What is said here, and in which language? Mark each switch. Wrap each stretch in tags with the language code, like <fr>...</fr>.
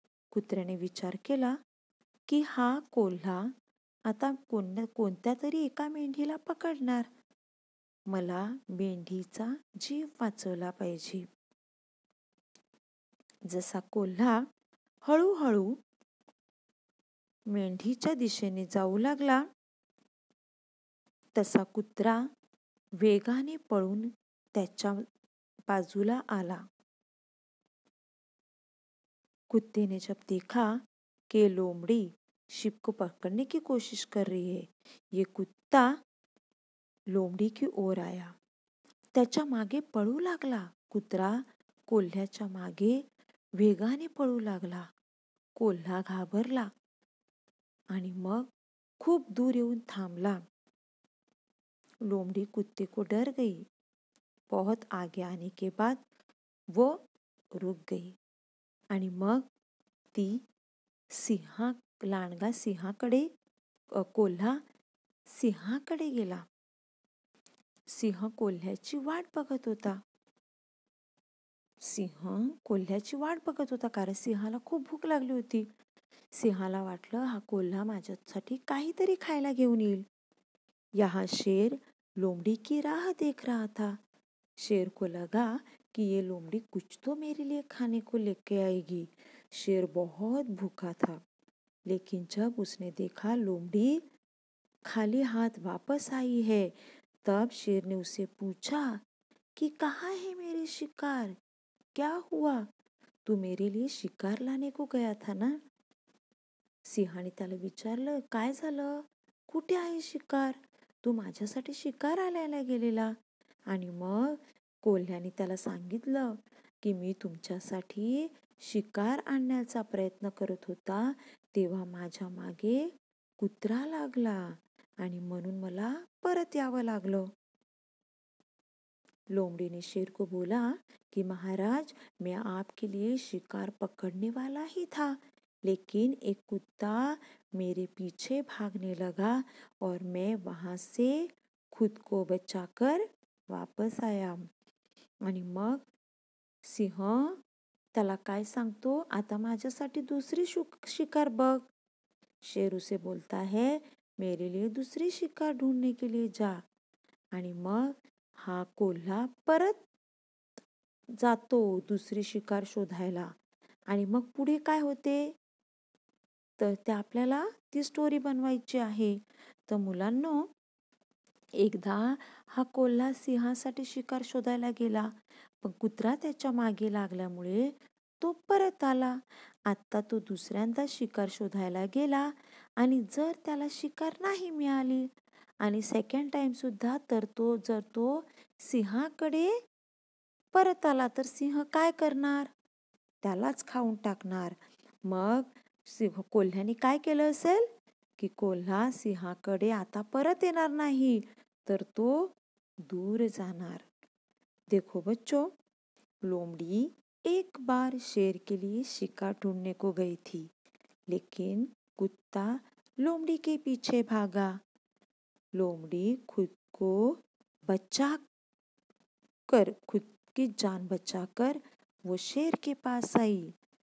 <mr>कुत्रे ने विचार केला कि हा कोल्हा आता कोणत्या तरी एका मेंढीला पकडणार. मला मेंढीचा जीव वाचवला पाहिजे. जसा कोल्हा हळूहळू मेंढीच्या दिशेने जाऊ लागला तसा कुत्रा वेगाने पळून त्याच्या बाजूला आला.</mr> <hi>कुत्तेने जब देखा के लोमड़ी शिप को पकड़ने की कोशिश कर रही है, ये कुत्ता लोमड़ी की ओर आया,</hi> <mr>त्याच्या मागे पळू लागला. कुत्रा कोल्ह्याच्या मागे वेगाने पळू लागला. कोल्हा घाबरला आणि मग खूप दूर येऊन थांबला.</mr> <hi>लोमड़ी कुत्ते को डर गई. बहुत आगे आने के बाद वो रुक गई</hi> <mr>आणि मग ती सिंहा लांडगा सिंहाकडे कोल्हा सिंहाकडे गेला. सिंह कोल्ह्याची वाट बघत होता. सिंह कोल्ह्याची वाट बघत होता कारण सिंहाला खूप भूक लागली होती. सिंहाला वाटलं हा कोल्हा माझ्यासाठी काहीतरी खायला घेऊन येईल.</mr> <hi>या शेर लोमडी की राह देख रहा था. शेर को लगा कि ये लोमडी कुछ तो मेरे लिए खाने को लेके आएगी. शेर बहुत भूखा था लेकिन जब उसने देखा लोमडी खाली हाथ वापस आई है तब शेर ने उसे पूछा कि कहाँ है मेरी शिकार, क्या हुआ, तू मेरे लिए शिकार लाने को गया था ना.</hi> <mr>सिंहाने त्याला विचारलं काय झालं, कुठे आहे शिकार, तू माझ्यासाठी शिकार आल्याला गेलेला. आणि मग कोल्ह्याने त्याला सांगितलं की मी तुमच्यासाठी शिकार आणण्याचा प्रयत्न करत होता तेव्हा माझ्या मागे कुत्रा लागला आणि म्हणून मला परत यावं लागलं.</mr> <hi>लोमडीने शेर को बोला कि महाराज मैं आपके लिए शिकार पकड़ने वाला ही था लेकिन एक कुत्ता मेरे पीछे भागने लगा और मैं वहां से खुद को बचाकर वापस आया.</hi> <mr>आणि मग सिंह त्याला काय सांगतो, आता माझ्यासाठी दुसरी शिकार बघ.</mr> <hi>शेर उसे बोलता है मेरे लिए दुसरी शिकार ढूंढने के लिए जा.</hi> <mr>आणि मग हा कोल्हा परत जातो दुसरी शिकार शोधायला. आणि मग पुढे काय होते तर ते आपल्याला ती स्टोरी बनवायची आहे. तर मुलांनो, एकदा हा कोल्हा सिंहासाठी शिकार शोधायला गेला पण कुत्रा त्याच्या मागे लागल्यामुळे तो परत आला. आत्ता तो दुसऱ्यांदा शिकार शोधायला गेला आणि जर त्याला शिकार नाही मिळाली आणि</mr> <en>second time</en> <mr>सुद्धा तर तो जर तो सिंहाकडे परत आला तर सिंह काय करणार, त्यालाच खाऊन टाकणार. मग सिंह कोल्ह्याने काय केलं असेल की कोल्हा सिंहाकडे आता परत येणार नाही तर तो दूर जाणार.</mr> <hi>देखो बच्चो, लोमडी एक बार शेर के लिए शिकार ढूंढने को गई थी लेकिन कुत्ता लोमडी के पीछे भागा. लोमड़ी खुद को बचा कर खुद की जान बचा कर वो शेर के पास आई.</hi>